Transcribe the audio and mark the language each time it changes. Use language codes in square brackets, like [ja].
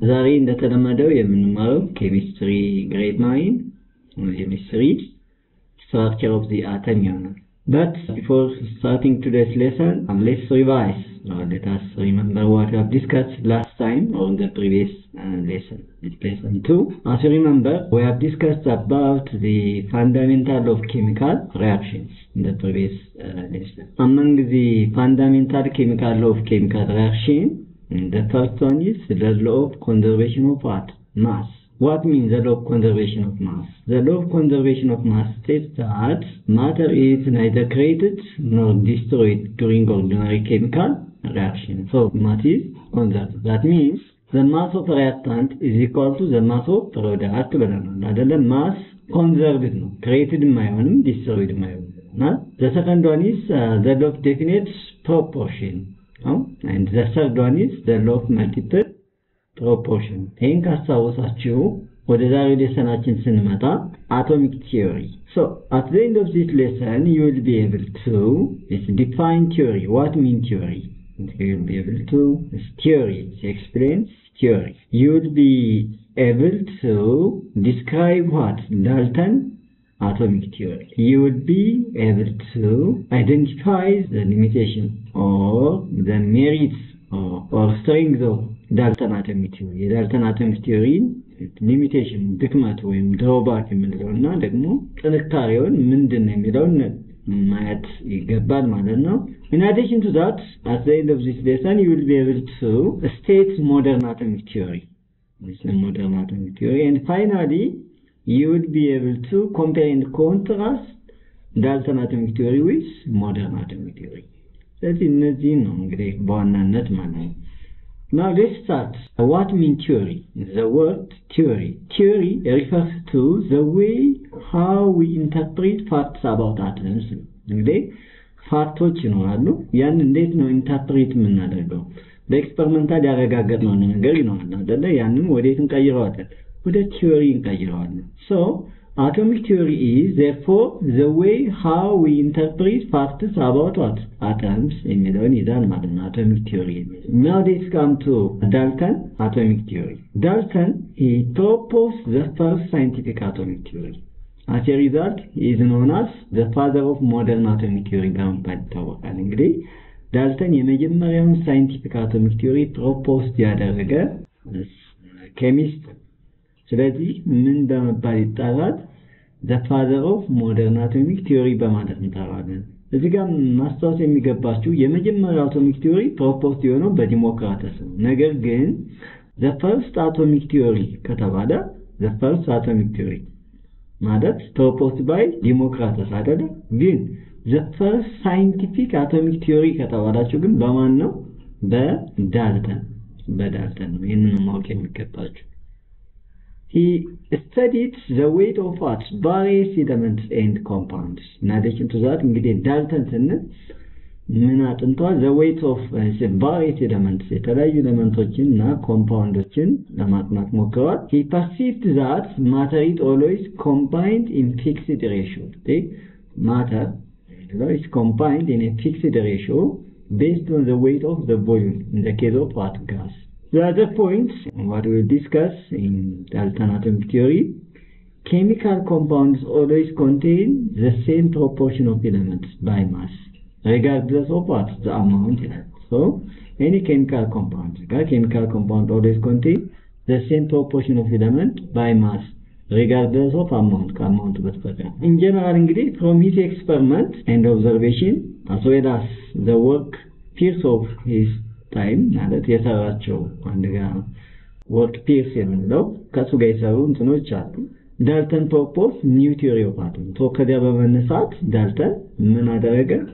[am] ዛሬ እንደተለመደው የምንማረው ኬሚስትሪ ግሬድ 9 ኬሚስትሪ [en] structure of the atom unit. But before starting today's lesson, let's revise. Now let us remember what we have discussed last time or in the previous lesson, lesson 2. As you remember, we have discussed about the fundamental of chemical reactions in the previous lesson. Among the fundamental chemical law of chemical reaction, the first one is the law of conservation of what? Mass. What means the law of conservation of mass? The law of conservation of mass states that matter is neither created nor destroyed during ordinary chemical reaction. So mass is conserved. That means the mass of reactant is equal to the mass of product. The mass conserved, created mayon, destroyed mayon. The second one is the law of definite proportion. And the third one is the law of multiple proportion. [am] ይህን ካስታወሳችሁ ወደ ዛሬ ሌሰናችን ስንመጣ አቶሚክ ቲዮሪ. [en] So at the end of this lesson you will be able to define theory. What mean theory? You will be able to theory. Explain theory. You will be able to describe what? Dalton atomic theory. You will be able to identify the limitation or the merits or strength of Dalton atomic theory. Dalton atomic theory limitation [am] ድክመት ወይም drawback የምንለውና ደግሞ ጥንካሬውን ምንድነው የሚለውን ማየት ይገባል ማለት ነው. [en] In addition to that, at the end of this lesson you will be able to state modern atomic theory. This is modern atomic theory. And finally, you will be able to compare and contrast Dalton atomic theory with modern atomic theory. [am] ስለዚህ እነዚህ ነው እንግዲህ በዋናነት ማለት ነው. [en] Now let's start. What means theory? The word theory. Theory refers to the way how we interpret facts about atoms. [am] እንግዲህ ፋክቶች ይኖራሉ ያን እንዴት ነው ኢንተርፕሪት የምናደርገው? በኤክስፐሪመንታል ያረጋገጥነው ነገር ይኖራል አይደለ? ያንን ወዴት እንቀይረዋለን? ወደ ቲዮሪ እንቀይረዋለን. [en] So atomic theory is therefore the way how we interpret facts about what? Atoms. [am] የሚለውን ይዛን ማለት ነው atomic theory. [en] Now let's come to Dalton atomic theory. Dalton, he proposed the first scientific atomic theory. As a result, he is known as the father of modern atomic theory. እንግዲህ Dalton የመጀመሪያውን scientific atomic theory proposed ያደረገ chemist. [am] ስለዚህ ምን በመባል ይጠራል? [en] The father of modern atomic theory [am] በማለት እንጠራለን። እዚህ ጋር ማስታወስ የሚገባችሁ የመጀመሪያው atomic theory proposed የሆነው በዲሞክራተስ ነው። ነገር ግን [en] the first atomic theory [am] ከተባለ the first atomic theory ማለት proposed by ዲሞክራተስ አይደለ? ግን the first scientific atomic theory ከተባላችሁ ግን በማን ነው? በዳልተን ነው። ይህንን ማወቅ የሚገባችሁ [en] He studied the weight of atoms, bodies, elements and compounds. In addition to that, [am] እንግዲህ ዳልተን ስንል ምን አጥንቷል? [en] The weight of bodies, elements, [am] የተለያዩ ኤሌመንቶችን እና ኮምፓውንዶችን ለማጥናት ሞክሯል። [en] He perceived that matter is always combined in fixed ratio. Matter is combined in a fixed ratio based on the weight of the volume, in the case of what? Gas. The other points what we'll discuss in Dalton atomic theory, chemical compounds always contain the same proportion of elements by mass, regardless of what the amount. So any chemical compound, always contain the same proportion of elements by mass, regardless of amount. In general, from his experiment and observation, as well as the work peers of his time, [am] ማለት የሰራቸው አንድ ጋር ወርክ ፒርስ የምንለው ከሱ ጋር የሰሩ እንትኖች አሉ። [en] ዳልተን ፕሮፖስ ኒው ቲዮሪ ኦፍ አቶም። [am] ሶ ከዚያ በመነሳት ዳልተን ምን አደረገ?